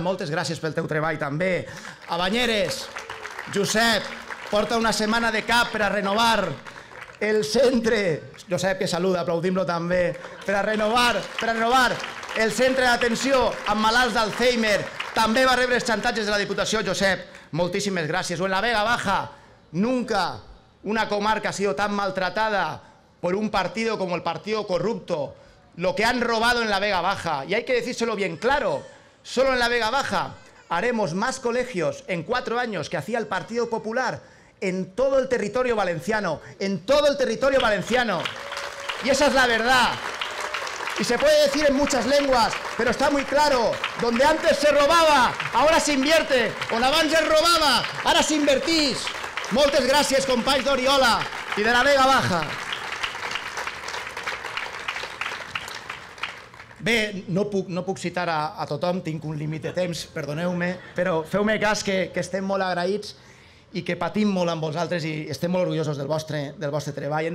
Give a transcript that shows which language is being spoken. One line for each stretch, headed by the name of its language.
Catalan: Moltes gràcies pel teu treball, també. A Banyeres, Josep, porta una setmana de cap per a renovar el centre. Josep, que saluda, aplaudim-lo també. Per a renovar el centre d'atenció amb malalts d'Alzheimer. També va rebre els xantatges de la Diputació, Josep. Moltíssimes gràcies.
Spanish: O en la Vega Baja, nunca una comarca ha sido tan maltratada por un partido como el Partido Corrupto, lo que han robado en la Vega Baja. Y hay que decírselo bien claro, solo en la Vega Baja haremos más colegios en 4 años que hacía el Partido Popular en todo el territorio valenciano, en todo el territorio valenciano. Y esa es la verdad. Y se puede decir en muchas lenguas, pero está muy claro, donde antes se robava, ahora se invierte,
Catalan: on abans se robava, ahora se invertís. Moltes gràcies, companys d'Oriola i de la Vega Baja. Bé, no puc citar a tothom, tinc un límit de temps, perdoneu-me, però feu-me cas que estem molt agraïts i que patim molt amb vosaltres i estem molt orgullosos del vostre treball.